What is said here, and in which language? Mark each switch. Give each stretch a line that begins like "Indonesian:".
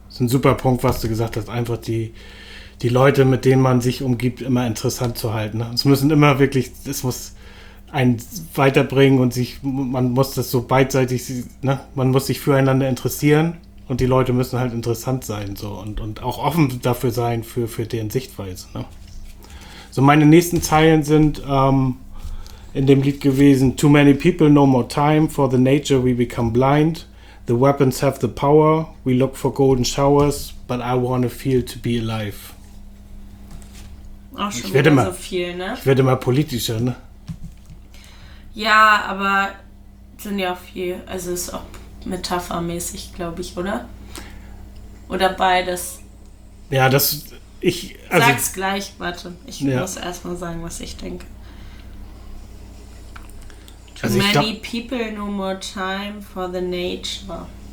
German: Das ist ein super Punkt, was du gesagt hast. Einfach die Leute, mit denen man sich umgibt, immer interessant zu halten. Es müssen immer wirklich, es muss einen weiterbringen und man muss das so beidseitig, ne? Man muss sich füreinander interessieren und die Leute müssen halt interessant sein so und auch offen dafür sein, für deren Sichtweise. Ne? So, meine nächsten Zeilen sind, in dem Lied gewesen,
English: too many people, no more time, for the nature we become blind, the weapons have the power, we look for golden showers, but I want to feel to be alive.
German: Auch schon ich werde so mal, viel, ne? Ich werde mal politischer, ne? Ja, aber sind ja auch viel, also ist auch metaphermäßig, glaube ich, oder? Oder beides? Ja, das... Sag's gleich, warte. Ich muss erstmal sagen, was ich denke.
English: Too many people, no more time for the nature.